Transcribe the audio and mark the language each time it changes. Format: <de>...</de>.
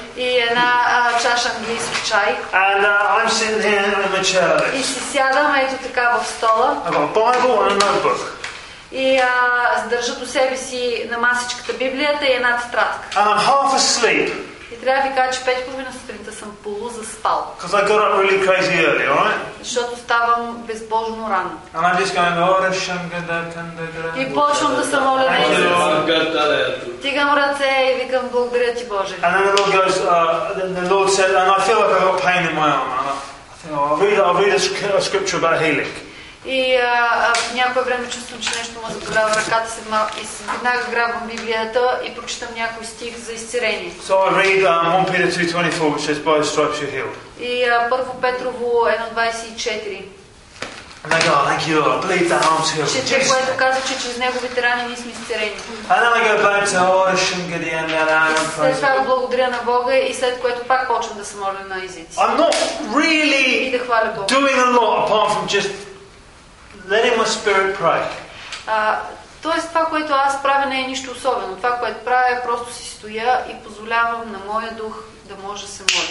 <bg>И една чаша английски чай.</bg> <en>And I'm sitting here in my chair.</en> <bg>И си сядам ето така в стола.</bg> <en>I've got a Bible and a notebook.</en> <bg>И държа до себе си на масичката библията и една тетрадка.</bg> <en>And I'm half asleep.</en> <bg>И трябва да ви кажа, че 5:30 сутринта съм полузаспал.</bg> <en>Because I got up really crazy early, all right?</en> <bg>Защото ставам безбожно рано.</bg> <en>And I'm just going, oh, Hashem, gadatan,</en> <bg>и почвам да се моля на Исус. Тигам ръце и викам, благодаря ти, Боже.</bg> <en>And then the Lord goes, the Lord said, and I feel like I got pain in my arm. I'll read a scripture about healing.</en> <bg>И някое време чувствам, че нещо му заболява ръката си и веднага грабвам Библията и прочитам някой стих за изцерение.</bg> <en>So I read 1 Peter 2:24, which says, by the stripes you're healed.</en> <bg>И Първо Петрово 1:24.</bg> <en>And I go, thank you, Lord, I believe that arm's healed.</en> <bg>Че, което казва, че чрез неговите рани ние сме изцерени.</bg> <en>And then I go back to Orishim, Gideon, that arm, and praise God.</en> <bg>След това благодаря на Бога и след което пак почвам да се моля на езици.</bg> <en>I'm not really doing a lot apart from just letting my spirit pray.</en> <bg>Тоест това, което аз правя, не е нищо особено. Това, което правя, просто си стоя и позволявам на моя дух да може да се моля.</bg>